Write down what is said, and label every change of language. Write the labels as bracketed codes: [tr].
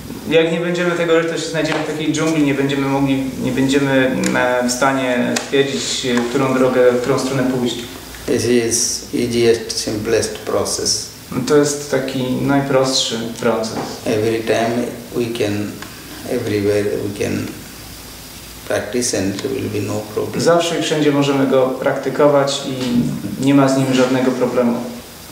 [pl] Jak nie będziemy tego, że to się znajdziemy w takiej dżungli, nie będziemy w stanie stwierdzić, w którą stronę pójść. [en] This is easiest, simplest process. [pl] To jest taki najprostszy proces. [en] Every time we can, everywhere we can practice and there will be no problem. [pl] Zawsze i wszędzie możemy go praktykować i nie ma z nim żadnego problemu.